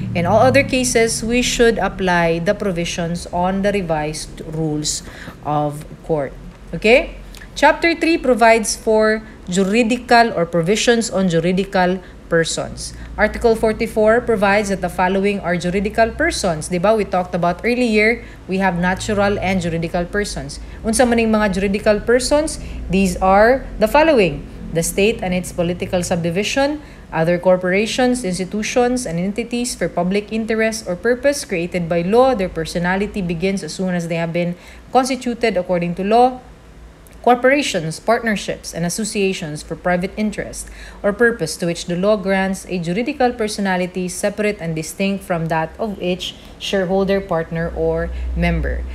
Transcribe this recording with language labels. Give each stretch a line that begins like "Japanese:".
English: In all other cases, we should apply the provisions on the revised rules of court. Okay? Chapter 3 provides for juridical or provisions on juridical persons. Article 44 provides that the following are juridical persons.
Cebuano: Diba,
English: we talked about earlier, we have natural and juridical persons.
Cebuano: Unsa man ang mga juridical persons?
English: These are the following: the state and its political subdivision, other corporations, institutions, and entities for public interest or purpose created by law. Their personality begins as soon as they have been constituted according to law. Corporations, partnerships, and associations for private interest or purpose to which the law grants a juridical personality separate and distinct from that of each shareholder, partner, or member.